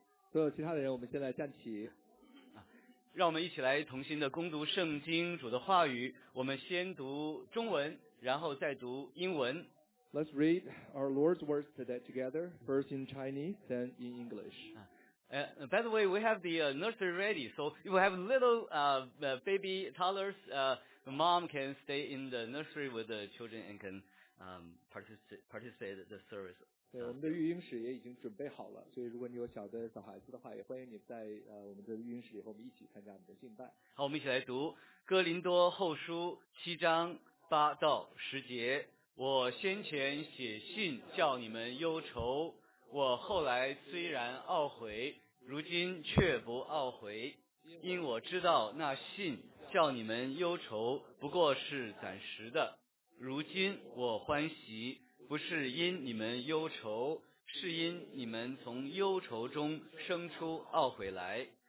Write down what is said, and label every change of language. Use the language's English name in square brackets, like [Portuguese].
[Chinese] 所有其他的人，我们先来站起。让我们一起来同心的攻读圣经主的话语。我们先读中文，然后再读英文。 [English] Let's read our Lord's words today together, first in Chinese, then in English. By the way, we have the nursery ready, so if we have little baby toddlers, mom can stay in the nursery with the children and can participate in the service. [Chinese] 对，我们的育婴室也已经准备好了，所以如果你有小的小孩子的话，也欢迎你在我们的育婴室里和我们一起参加我们的敬拜。好，我们一起来读《哥林多后书》七章八到十节。我先前写信叫你们忧愁，我后来虽然懊悔，如今却不懊悔，因我知道那信叫你们忧愁不过是暂时的，如今我欢喜，不是因你们忧愁，是因你们从忧愁中生出懊悔来。